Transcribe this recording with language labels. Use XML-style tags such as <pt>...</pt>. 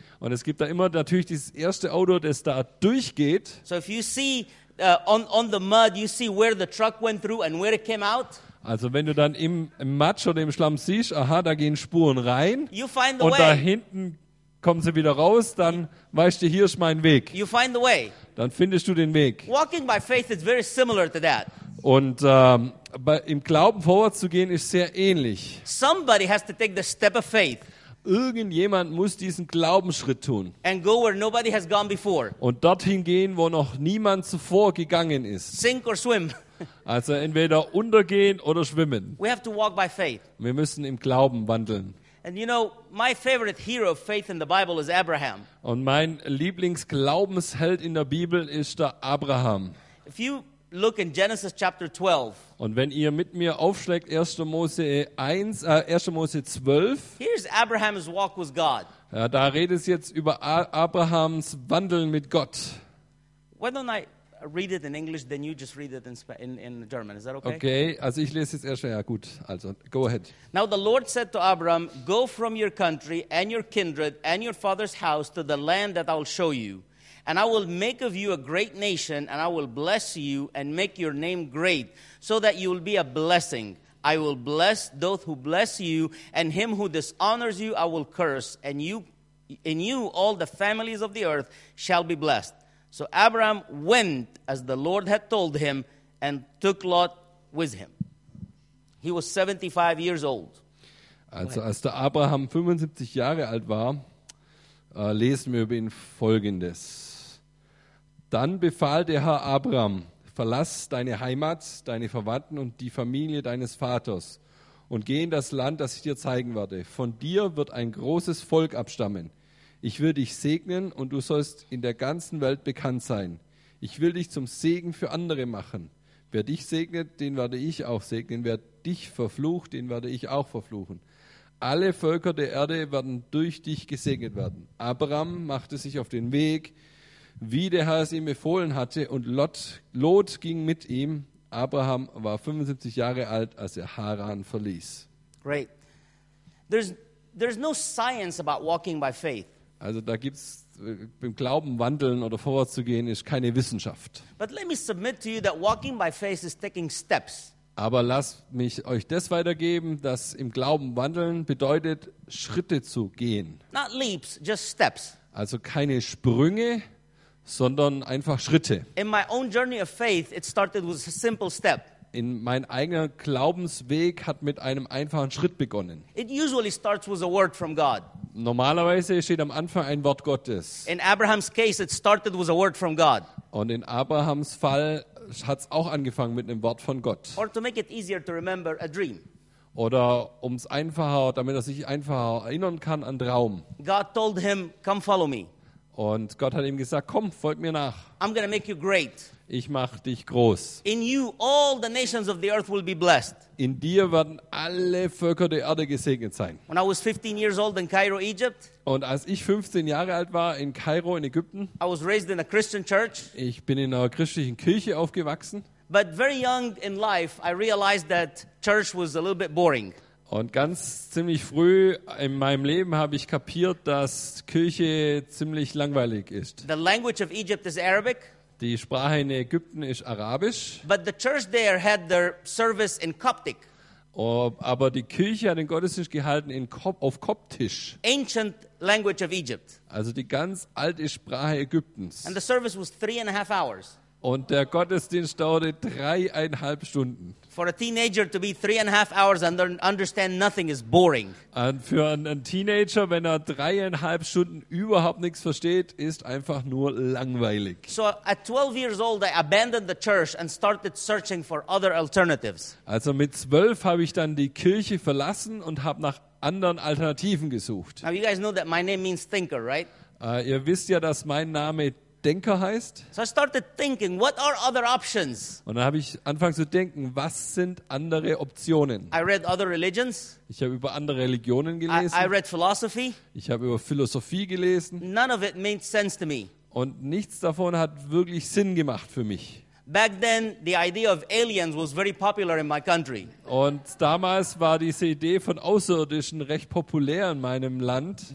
<de>Und es gibt da immer natürlich dieses erste Auto, das da durchgeht.</de> <en>So if you see on the mud, you see where the truck went through and where it came out.</en> <de>Also wenn du dann im Matsch oder im Schlamm siehst, aha, da gehen Spuren rein und</de> <en>way.</en> <de>Da hinten kommen sie wieder raus, dann weißt du, hier ist mein Weg.</de> <en>You find the way.</en> <de>Dann findest du den Weg.</de> <en>Walking by faith is very similar to that.</en> <de>Und im Glauben vorwärts zu gehen ist sehr ähnlich.</de> <en>Somebody has to take the step of faith.</en> <de>Irgendjemand muss diesen Glaubensschritt tun.</de> <en>And go where nobody has gone before.</en> <de>Und dorthin gehen, wo noch niemand zuvor gegangen ist.</de> <en>Sink or swim.</en> <de>Also entweder untergehen oder schwimmen.</de> <en>We have to walk by faith.</en> <de>Wir müssen im Glauben wandeln.</de> <en>And you know, my favorite hero of faith in the Bible is Abraham.</en> <de>Und mein Lieblingsglaubensheld in der Bibel ist der Abraham.</de> <en>If you look in Genesis chapter 12.</en> <de>Und wenn ihr mit mir aufschlägt 1. Mose 12.</de> <en>Here's Abraham's walk with God.</en> <de>Ja, da redet es jetzt über Abrahams Wandeln mit Gott.</de> <en>Why don't I read it in English, then you just read it in German. Is that okay?</en> <de>Okay, also ich lese jetzt erst. Ja, gut. Also,</de> <en>go ahead. Now the Lord said to Abram, go from your country and your kindred and your father's house to the land that I will show you. And I will make of you a great nation, and I will bless you and make your name great, so that you will be a blessing. I will bless those who bless you, and him who dishonors you I will curse. And you, in you all the families of the earth shall be blessed. So Abraham went as the Lord had told him and took Lot with him. He was 75 years old.</en> <de>Also als der Abraham 75 Jahre alt war, lesen wir über ihn Folgendes. Dann befahl der Herr Abraham, verlass deine Heimat, deine Verwandten und die Familie deines Vaters und geh in das Land, das ich dir zeigen werde. Von dir wird ein großes Volk abstammen. Ich will dich segnen und du sollst in der ganzen Welt bekannt sein. Ich will dich zum Segen für andere machen. Wer dich segnet, den werde ich auch segnen. Wer dich verflucht, den werde ich auch verfluchen. Alle Völker der Erde werden durch dich gesegnet werden. Abraham machte sich auf den Weg, wie der Herr es ihm befohlen hatte, und Lot ging mit ihm. Abraham war 75 Jahre alt, als er Haran verließ.</de> <en>Great. There's no science about walking by faith.</en> <de>Also da gibt's beim Glauben wandeln oder vorwärts zu gehen ist keine Wissenschaft.</de> <en>But let me submit to you that walking by faith is taking steps.</en> <de>Aber lasst mich euch das weitergeben, dass im Glauben wandeln bedeutet Schritte zu gehen.</de> <en>Not leaps, just steps.</en> <de>Also keine Sprünge, sondern einfach Schritte.</de> <en>In my own journey of faith, it started with a simple step.</en> <de>In mein eigener Glaubensweg hat mit einem einfachen Schritt begonnen.</de> <en>It usually starts with a word from God.</en> <de>Normalerweise steht am Anfang ein Wort Gottes.</de> <en>In Abraham's case, it started with a word from God.</en> <de>Und in Abrahams Fall hat's auch angefangen mit einem Wort von Gott.</de> <en>Or to make it easier to remember, a dream.</en> <de>Oder um's einfacher, damit er sich einfacher erinnern kann an Traum.</de> <en>God told him, "Come follow me."</en> <de>Und Gott hat ihm gesagt, komm, folg mir nach.</de> <en>I'm gonna make you great.</en> <de>Ich mach dich groß.</de> <en>In you all the nations of the earth will be blessed.</en> <de>In dir werden alle Völker der Erde gesegnet sein.</de> <en>When I was 15 years old in Cairo, Egypt.</en> <de>Und als ich 15 Jahre alt war in Kairo in Ägypten.</de> <en>I was raised in a Christian church.</en> <de>Ich bin in einer christlichen Kirche aufgewachsen.</de> <en>But very young in life I realized that church was a little bit boring.</en> <de>Und ganz ziemlich früh in meinem Leben habe ich kapiert, dass Kirche ziemlich langweilig ist.</de> <en>The language of Egypt is Arabic.</en> <de>Die Sprache in Ägypten ist Arabisch.</de> <en>But the church there had their service in Coptic.</en> <de>Aber die Kirche hat den Gottesdienst gehalten auf Koptisch.</de> <en>Ancient language of Egypt.</en> <de>Also die ganz alte Sprache Ägyptens.</de> <en>And the service was 3.5 hours.</en> <de>Und der Gottesdienst dauerte 3.5 Stunden.</de> <en>For a teenager to be 3.5 hours and understand nothing is boring.</en> <de>Und für einen Teenager, wenn er 3.5 Stunden überhaupt nichts versteht, ist einfach nur langweilig.</de> <en>So at 12 years old I abandoned the church and started searching for other alternatives.</en> <de>Also mit 12 habe ich dann die Kirche verlassen und habe nach anderen Alternativen gesucht.</de> <en>Now you guys know that my name means thinker, right?</en> <de>Ihr wisst ja, dass mein Name Denker heißt.</de> <en>So I started thinking, what are other options?</en> <de>Und dann habe ich angefangen zu denken, was sind andere Optionen?</de> <en>I read other religions.</en> <de>Ich habe über andere Religionen gelesen.</de> <en>I read philosophy.</en> <de>Ich habe über Philosophie gelesen.</de> <en>None of it made sense to me.</en> <de>Und nichts davon hat wirklich Sinn gemacht für mich.</de> <en>Back then, the idea of aliens was very popular in my country.</en> <de>Und damals war diese Idee von Außerirdischen recht populär in meinem Land.</de>